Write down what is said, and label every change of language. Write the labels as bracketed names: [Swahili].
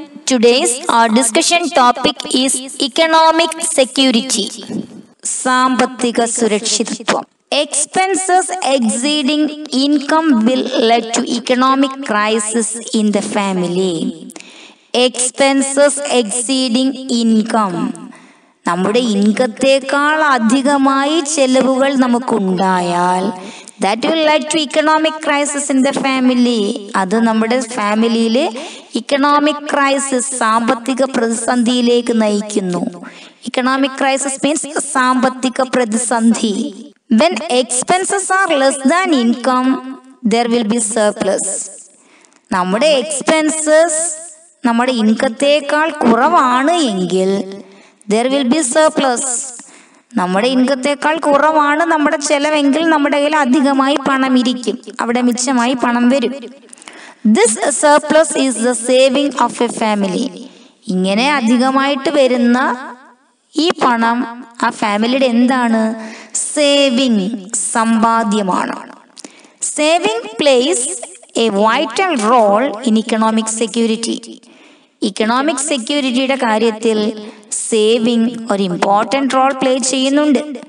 [English] Today's our discussion topic is economic security. [Malayalam] Sampathika Surakshitvam. [English] Expenses exceeding income will lead to economic crisis in the family. Expenses exceeding income. [Malayalam] നമ്മുടെ ഇൻകത്തേക്കാൾ അധികമായി ചെലവുകൾ നമുക്കുണ്ടായാൽ [English] That will lead to economic crisis in the family. [Malayalam] അത് നമ്മുടെ ഫാമിലിയിൽ economic crisis, സാമ്പത്തിക പ്രതിസന്ധിയിലേക്ക് നയിക്കുന്നു. [English] economic crisis means [Malayalam] സാമ്പത്തിക പ്രതിസന്ധി. [English] When expenses are less than income, there will be surplus. [Malayalam] നമ്മുടെ എക്സ്പെൻസസ് നമ്മുടെ ഇൻകത്തേക്കാൾ കുറവാണ് എങ്കിൽ [English] there will be surplus. [Malayalam] നമ്മുടെ ഇൻകത്തേക്കാൾ കുറവാണ് നമ്മുടെ ചെലവെങ്കിൽ നമ്മുടെ കയ്യിൽ അധികമായി പണം ഇരിക്കും, അവിടെ മിച്ചമായി പണം വരും. [English] This surplus is the saving of a family. [Malayalam] ഇങ്ങനെ അധികമായിട്ട് വരുന്ന ഈ പണം ആ ഫാമിലിയുടെ എന്താണ്? [English] saving, [Malayalam] സമ്പാദ്യമാണ്. [English] Saving plays a vital role in economic security. [Malayalam] Economic സെക്യൂരിറ്റിയുടെ കാര്യത്തിൽ സേവിങ് ഒരു ഇമ്പോർട്ടൻ്റ് റോൾ പ്ലേ ചെയ്യുന്നുണ്ട്.